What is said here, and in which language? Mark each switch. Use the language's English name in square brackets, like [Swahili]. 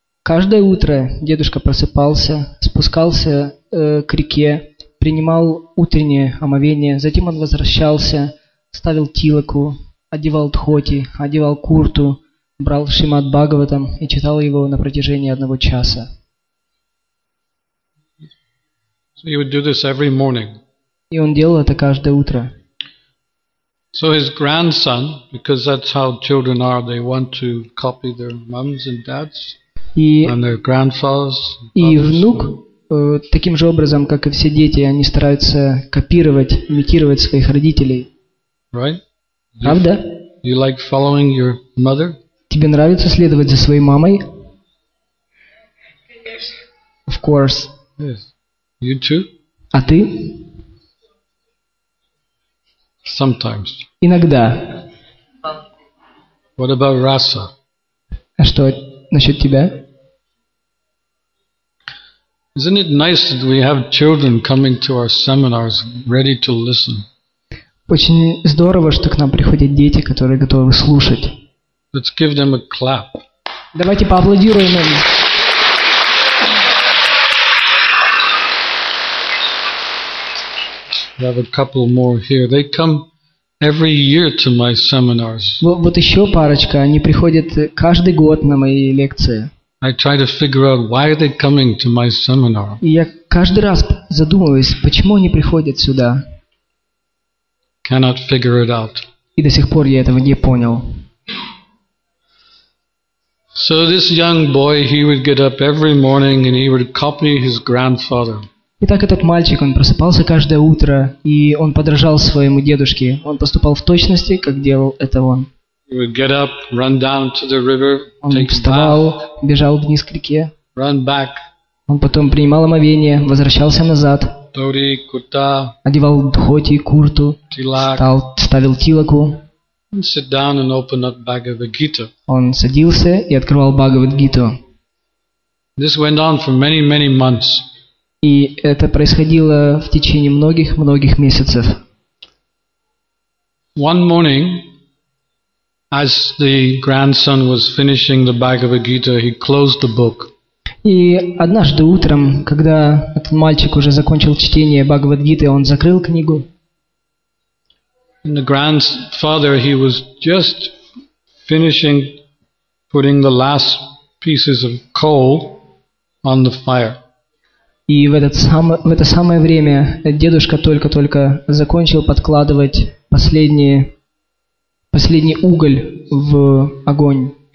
[Russian] Каждое утро дедушка просыпался, спускался к реке, принимал утреннее омовение, затем он возвращался, ставил тилаку, одевал дхоти, одевал курту, брал Шримад Бхагаватам и читал его на протяжении 1 часа. [English] So he would do this every morning. [Russian] И он делал это каждое утро. [English] So his grandson, because that's how children are, they want to copy their moms and dads. And their grandfathers, [Russian] и внук, таким же образом, как и все дети, они стараются копировать, имитировать своих родителей. [English] Right? [Russian] Правда? [English] You like following your mother? [Russian] Тебе нравится следовать за своей мамой? [English] Yes. Of course. Yes. You too? [Russian] А ты? [English] Sometimes. [Russian] Иногда. [English] What about Rasa? [Russian] А что насчет тебя? [English] Isn't it nice that we have children coming to our seminars ready to listen? [Russian] Очень здорово, что к нам приходят дети, которые готовы слушать. [English] Let's give them a clap. [Russian] Давайте поаплодируем им. [English] We have a couple more here. They come every year to my seminars. [Russian] Вот еще парочка, они приходят каждый год на мои лекции. [English] I try to figure out why are they coming to my seminar. [Russian] И я каждый раз задумываюсь, почему они приходят сюда. [English] Cannot figure it out. [Russian] И до сих пор я этого не понял. [English] So this young boy, he would get up every morning and he would copy his grandfather. [Russian] Итак, этот мальчик, он просыпался каждое утро и он подражал своему дедушке. Он поступал в точности, как делал это он. [English] He would get up, run down to the river, [Russian] он [English] take [Russian] вставал, [English] bath, [Russian] бежал вниз к реке. [English] Run back. [Russian] Он потом принимал омовение, возвращался назад. Дури Курта одевал Дхоти и Курту, ставил тилаку. [English] And sit down and open up Bhagavad Gita. [Russian] Он садился и открывал Бхагавад-гиту. [English] This went on for many, many months. [Russian] И это происходило в течение многих-многих месяцев. [English] One morning, as the grandson was finishing the Bhagavad Gita, he closed the book. [Russian] И однажды утром, когда этот мальчик уже закончил чтение Бхагавад-гиты, он закрыл книгу. [English] And the grandfather, he was just finishing putting the last pieces of coal on the fire. [Russian] И в это самое время дедушка только-только закончил подкладывать последний уголь в огонь.